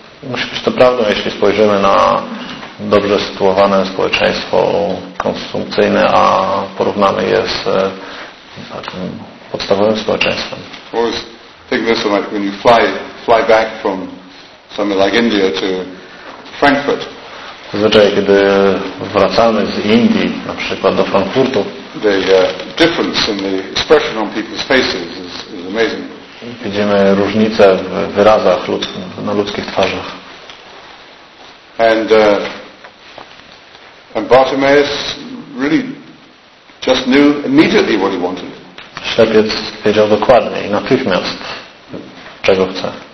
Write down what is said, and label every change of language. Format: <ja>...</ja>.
<pl>Musi być to prawdą, jeśli spojrzymy na dobrze sytuowane społeczeństwo konsumpcyjne, a porównamy je z takim podstawowym społeczeństwem.</pl> <en>Always think this one, like when you fly back from somewhere like India to Frankfurt.</en> <pl>Zazwyczaj, kiedy wracamy z Indii, na przykład do Frankfurtu,</pl> <en>the difference in the expression on people's faces is amazing.</en> <pl>Widzimy różnicę w wyrazach na ludzkich twarzach.</pl> <en>And Bartimaeus really just knew immediately what he wanted.</en> <pl>ślepiec wiedział dokładnie i natychmiast, czego chce.</pl>